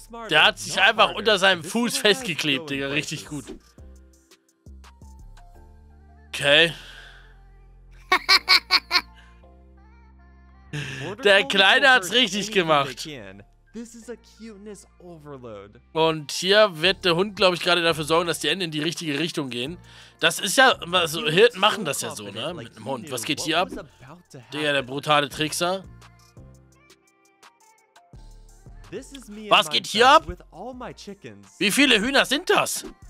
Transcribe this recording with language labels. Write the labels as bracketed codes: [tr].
[de] Der hat sich einfach unter seinem Fuß festgeklebt, Digga. Richtig gut. Okay. Der Kleine hat's richtig gemacht. [en] This is a cuteness overload. [de] Und hier wird der Hund, glaube ich, gerade dafür sorgen, dass die Enten in die richtige Richtung gehen. Das ist ja, also Hirten machen das ja so, ne, mit einem Hund. Was geht hier ab? Digga, der brutale Trickser. Was geht hier ab? Wie viele Hühner sind das?